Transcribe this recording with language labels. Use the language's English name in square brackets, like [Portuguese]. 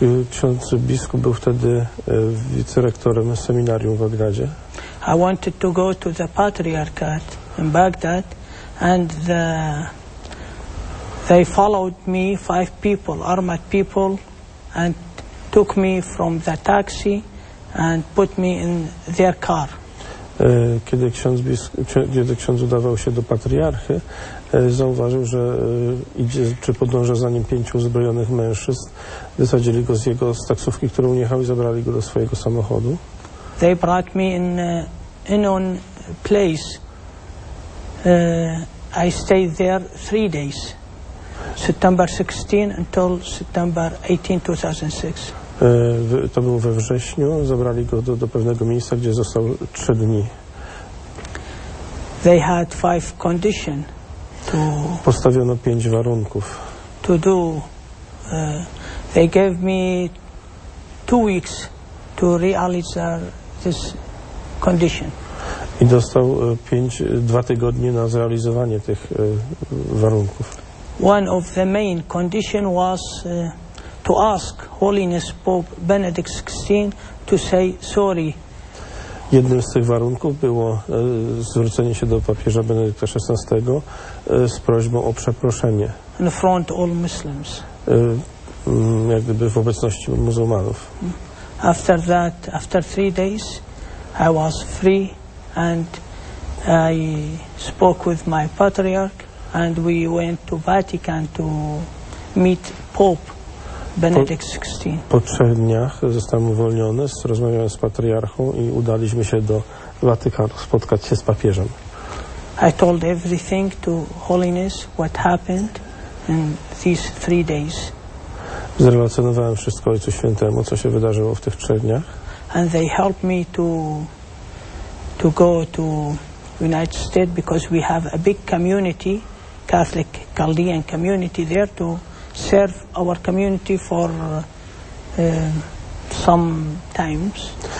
[Polish] Ksiądz biskup był wtedy wicerektorem seminarium w Bagdadzie. [English] I wanted to go to the patriarchate in Baghdad and they followed me, 5 people, armed people, and took me from the taxi and put me in their car. [Polish] Kiedy ksiądz udawał się do patriarchy, zauważył, że idzie, czy podąża za nim 5 uzbrojonych mężczyzn. Wysadzili go z taksówki, którą jechał, i zabrali go do swojego samochodu. [English] They brought me in on place. I stayed there 3 days. September 16 until September 18, 2006. [Polish] To było we wrześniu. Zabrali go do pewnego miejsca, gdzie został 3 dni. [English] They had 5 conditions. [Polish] Postawiono 5 warunków. [English] To do. They gave me 2 weeks to realize this condition. [Polish] I dostał 2 tygodnie na zrealizowanie tych warunków. [English] One of the main condition was to ask Holiness Pope Benedict XVI to say sorry. [Polish] Jednym z tych warunków było zwrócenie się do papieża Benedykta XVI z prośbą o przeproszenie. [English] In front of all Muslims. [Polish] Jak gdyby w obecności muzułmanów. [English] After that, after 3 days, I was free and I spoke with my patriarch. And we went to Vatican to meet Pope Benedict XVI. [Polish] Po 3 dniach zostałem uwolniony, rozmawiałem z patriarchą i udaliśmy się do Watykanu spotkać się z papieżem. [English] I told everything to Holiness what happened in these 3 days. [Polish] Zrelacjonowałem wszystko Ojcu Świętemu, co się wydarzyło w tych 3 dniach. [English] And they helped me to go to United States because we have a big community, Catholic Chaldean community there to serve our community for some times.